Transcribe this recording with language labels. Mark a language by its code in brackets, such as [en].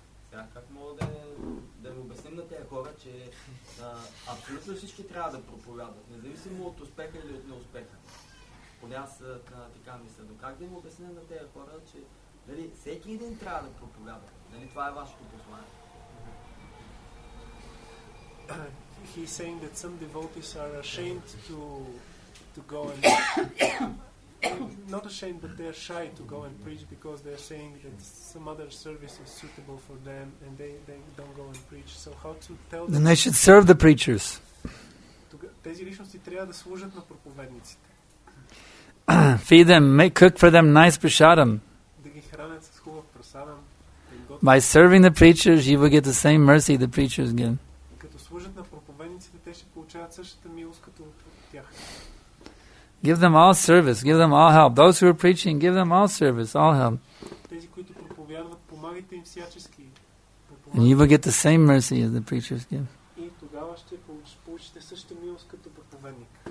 [bg] Сега как мога да ви обясним на тези хора, че абсолютно всички трябва да проповядват, независимо от успеха или от неуспеха. Поне аз така мисля. Но как да им обясня на тези хора, че нали, всеки един трябва да проповядва? Нали, това е вашето послание. [en] He's saying that some devotees are ashamed to go and not ashamed, but they are shy to go and preach because they are saying that some other service is suitable for them and they don't go and preach. So how to tell them? Then they should serve the preachers. [bg] Тези личности трябва да служат на проповедниците. [en] Feed them, cook for them nice prasadam. [bg] Да ги хранят с хубав прасадам. [en] By serving the preachers, you will get the same mercy the preachers get. [bg] На проповедниците, те ще получават същата милост като от тях. [en] Give them all service, give them all help. Those who are preaching, give them all service, all help. [bg] Тези, които проповядват, помагайте им всячески. [en] And you will get the same mercy as the preachers give. [bg] И тогава ще получите същата милост като проповедник.